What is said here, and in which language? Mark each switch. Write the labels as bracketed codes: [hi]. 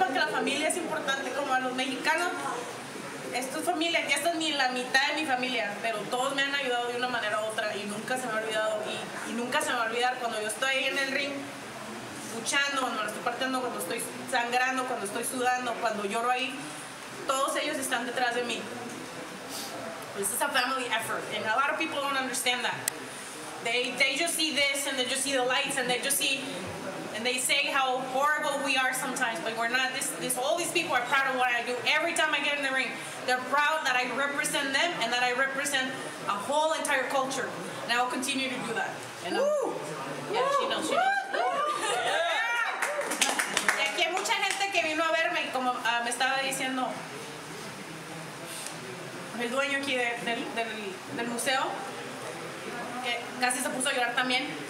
[es] Familia es importante, como a los mexicanos, esto es familia, aquí está ni la mitad de mi familia, pero todos me han ayudado de una manera u otra y nunca se me ha olvidado, y nunca se me va a olvidar cuando yo estoy ahí en el ring, luchando, cuando la estoy partiendo, cuando estoy sangrando, cuando estoy sudando, cuando lloro ahí, todos ellos están detrás de mí. [en] This is a family effort, and a lot of people don't understand that. They just see this, and they just see the lights, and they just see... And they say how horrible we are sometimes, but we're not. This all these people are proud of what I do. Every time I get in the ring, they're proud that I represent them and that I represent a whole entire culture. And I will continue to do that. And woo! Yeah, woo! She knows. [es] Yeah. Y aquí hay mucha gente que vino a verme, como me estaba diciendo el dueño aquí del museo, que casi se puso a llorar también.